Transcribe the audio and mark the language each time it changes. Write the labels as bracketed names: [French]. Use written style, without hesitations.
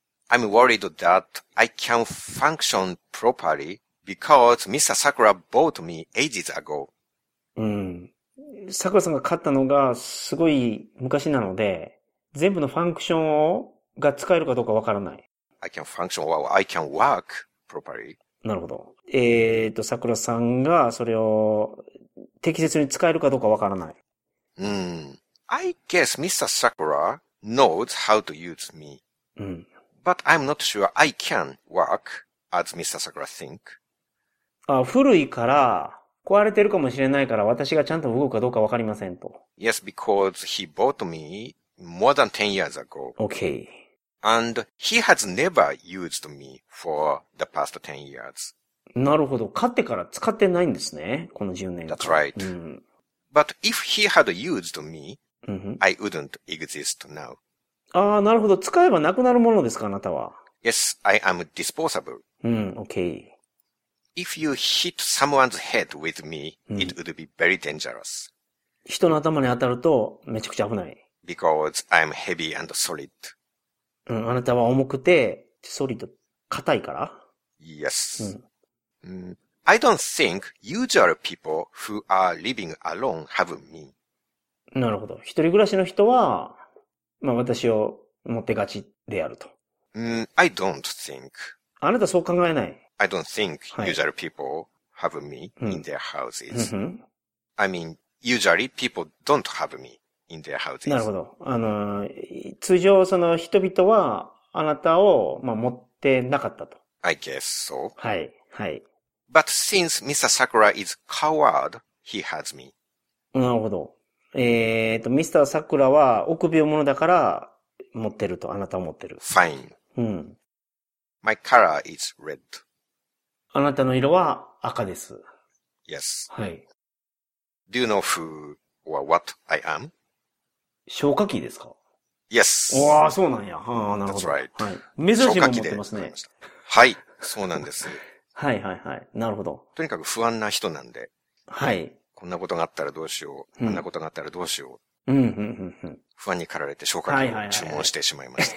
[English] I'm worried that I can't function properly because Mr. Sakura bought me ages ago. [Japanese] うん。 Sakura さんが買ったのがすごい昔なので、全部のファンクションが使えるかどうかわからない。 [English] I can function well, I can work properly. [Japanese] なるほど。桜さんがそれを適切に使えるかどうかわからない。 [English] I guess Mr. Sakura knows how to use me. [Japanese] うん。 [English] But I'm not sure I can work as Mr. Sakura think. [Japanese] あ、古いから壊れてるかもしれないから私がちゃんと動くかどうかわかりませんと。 [English] Yes, because he bought me more than 10 years ago. Okay. And he has never used me for the past 10 years. [Japanese] なるほど。買ってから使ってないんですね。この10年間。 [English] That's right.、 [Japanese] うん、 [English] But if he had used me,、うん、I wouldn't exist now. [Japanese] ああ、なるほど。使えばなくなるものですか、あなたは。 [English] Yes, I am disposable. [Japanese] うん、okay. [English] If you hit someone's head with me,、うん、it would be very dangerous. [Japanese] 人の頭に当たるとめちゃくちゃ危ない。 [English] Because I'm heavy and solid.、 [Japanese] うん、あなたは重くて、ソリッド、硬いから。 [English] Yes.、うんI don't think usual people who are living alone have me. [Japanese] なるほど。一人暮らしの人は、まあ私を持ってがちであると。 [English] I don't think. [Japanese] あなたそう考えない。 [English] I don't think usual people have me in their houses.、 [Japanese] うん、 [English] I mean, usually people don't have me in their houses. [Japanese] なるほど。通常その人々はあなたを、まあ、持ってなかったと。 [English] I guess so. [Japanese] はい。はい。 [English] But since Mr. Sakura is coward, he has me. [Japanese] なるほど。Mr. Sakura は臆病者だから持ってると、あなたを持ってる。 [English] Fine. [Japanese] うん。 [English] My color is red. [Japanese] あなたの色は赤です。 [English] Yes. [Japanese] はい。 [English] Do you know who or what I am? [Japanese] 消火器ですか? [English] Yes. [Japanese] わあ、そうなんや。はあ、なるほど。 [English] That's right. [Japanese] はい。珍しいもの持ってますね。はい。そうなんです。はいはいはい。なるほど。とにかく不安な人なんで。はい。こんなことがあったらどうしよう。こ、うん、んなことがあったらどうしよう。うん、うん、うん、うん。不安に駆られて消火器を注文してしまいました。